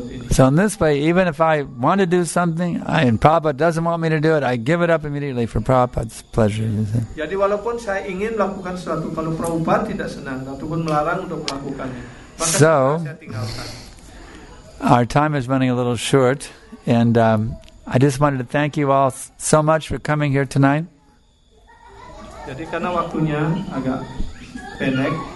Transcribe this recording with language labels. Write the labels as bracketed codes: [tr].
[en] So in this way, even if I want to do something and Prabhupada doesn't want me to do it, I give it up immediately for Prabhupada's pleasure. You see? [id] Jadi walaupun saya ingin melakukan sesuatu, kalau Prabhupada tidak senang ataupun melarang untuk melakukannya, maka saya tinggalkan. [en] Our time is running a little short, and I just wanted to thank you all so much for coming here tonight. [id] Jadi karena waktunya agak pendek.